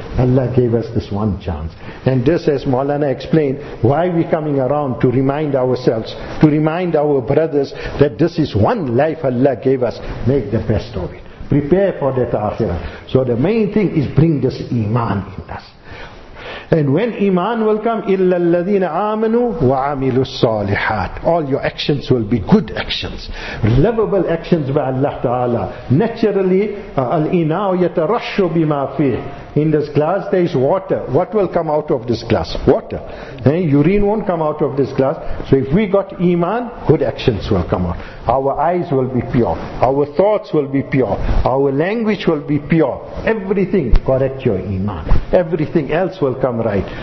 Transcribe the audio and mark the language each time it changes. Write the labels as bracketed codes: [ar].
[en] Allah gave us this one chance. And this, as Maulana explained, why we coming around, to remind ourselves, to remind our brothers that this is one life Allah gave us. Make the best of it. Prepare for that akhirah. So the main thing is bring this iman in us. And when Iman will come, [ar] إِلَّا الَّذِينَ آمَنُوا وَعَمِلُوا الصَّالِحَاتِ. [en] All your actions will be good actions, lovable actions by Allah Ta'ala. Naturally, [ar] الْإِنَاءُ يَتَرَشُّ بِمَا فِيهِ. [en] In this glass there is water. What will come out of this glass? Water. Urine won't come out of this glass. So if we got Iman, good actions will come out. Our eyes will be pure. Our thoughts will be pure. Our language will be pure. Everything, correct your Iman. Everything else will come right.